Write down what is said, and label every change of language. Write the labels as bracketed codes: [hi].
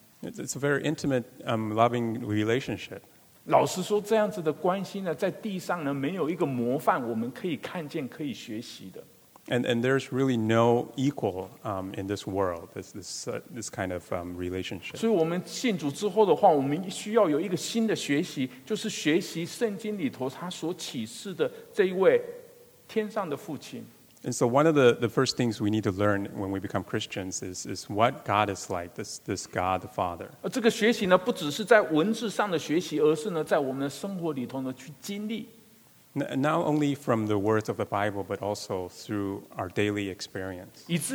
[en] It's a very intimate, loving relationship. [zh] 老实说，这样子的关系呢，在地上呢，没有一个模范，我们可以看见，可以学习的。 [en] And there's really no equal in this world, this kind of relationship. [zh] 所以我们信主之后的话，我们需要有一个新的学习，就是学习圣经里头他所启示的这一位天上的父亲。 [en] And so one of the first things we need to learn when we become Christians is what God is like, this God the Father. [zh] 这个学习呢，不只是在文字上的学习，而是呢，在我们的生活里头呢去经历。 [en] Not only from the words of the Bible, but also through our daily experience.